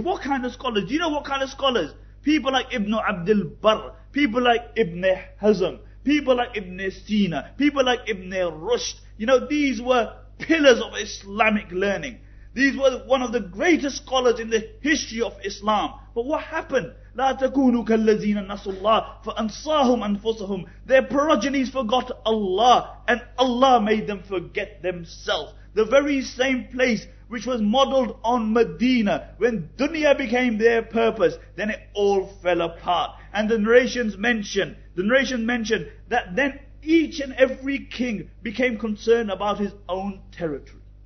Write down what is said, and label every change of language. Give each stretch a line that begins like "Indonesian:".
English: What kind of scholars? Do you know what kind of scholars? People like Ibn Abdul Barr, people like Ibn Hazm, people like Ibn Sina, people like Ibn Rushd. You know, these were pillars of Islamic learning. These were one of the greatest scholars in the history of Islam. But what happened?
Arabic: لا تكونوا كالذين نسوا الله فأنساهم أنفسهم.
English: Their progenies forgot Allah, and Allah made them forget themselves. The very same place which was modeled on Medina, when dunya became their purpose, then it all fell apart. And the narrations mention that then each and every king became concerned about his own territory.